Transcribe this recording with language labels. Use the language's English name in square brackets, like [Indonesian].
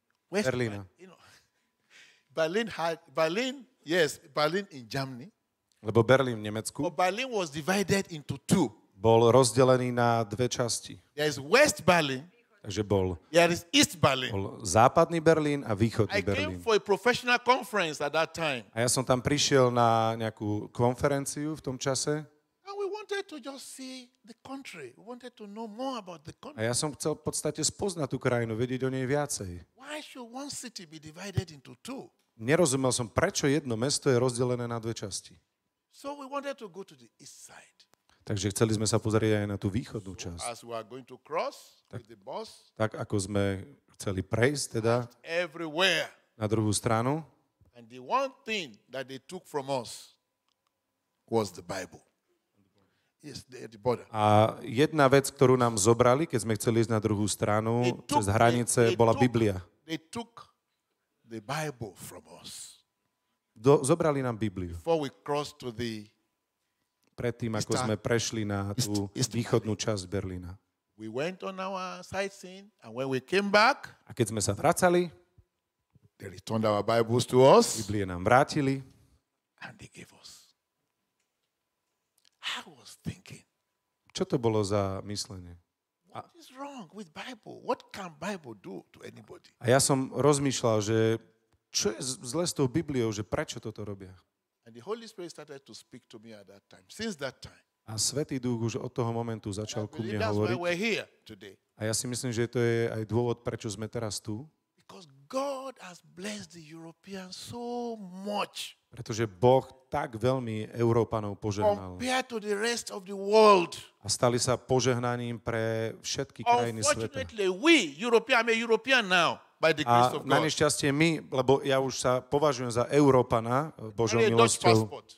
[English] West Berlin, you know, Berlin in Germany. [Slovak] Lebo Berlin v Nemecku. [English] But Berlin was divided into two. [Slovak] Bol rozdelený na dve časti. [English] There is West Berlin. [Slovak] Takže bol. [English] There is East Berlin. [Slovak] Bol západný Berlin a východný Berlin. [English] I came for a professional conference at that time. [Slovak] A ja som tam prišiel na nejakú konferenciu v tom čase. [English] And we wanted to just see the country. We wanted to know more about the country. [Slovak] A ja som chcel v podstate spoznať tú krajinu, vedieť o nej viacej. [English] Why should one city be divided into two? [Slovak] Nerozumel som, prečo jedno mesto je rozdelené na dve časti. [English] So we wanted to go to the east side. [Slovak] Takže chceli sme sa pozrieť aj na tú východnú časť. [English] As we are going to cross with the bus. [Slovak] Tak ako sme chceli prejsť teda [English] everywhere. [Slovak] Na druhú stranu. [English] And the one thing that they took from us was the Bible. Yes, [Slovak] a jedna vec, ktorú nám zobrali, keď sme chceli ísť na druhú stranu, cez hranice, bola Biblia. [English] They took the Bible from us. [Slovak] Zobrali nám Bibliu. [English] Before we crossed to the [Slovak] predtým, ako sme prešli na tú východnú časť Berlína. [English] We went on our sightseeing and when we came back, [Slovak] a keď sme sa vracali, [English] they returned our Bibles to us, [Slovak] Biblie nám vrátili, [English] and they gave us. I was thinking, [Slovak] čo to bolo za myslenie? [English] What is wrong with Bible? What can Bible do to anybody? [Slovak] A ja som rozmýšľal, že čo je zle s tou Bibliou, že prečo toto robia? [English] And the Holy Spirit started to speak to me at that time. Since that time. [Slovak] A Svätý Duch už od toho momentu začal ku mne hovoriť. [English] That's why we're here today. [Slovak] A ja si myslím, že to je aj dôvod, prečo sme teraz tu. [English] Because God has blessed the Europeans so much. [Slovak] Pretože Boh tak veľmi Európanov požehnal. [English] Compared to the rest of the world. [Slovak] A stali sa požehnaním pre všetky krajiny sveta. [English] Unfortunately, we Europeans are European now. [Slovak] A na nešťastie my, lebo ja už sa považujem za Európana, Božou milosťou.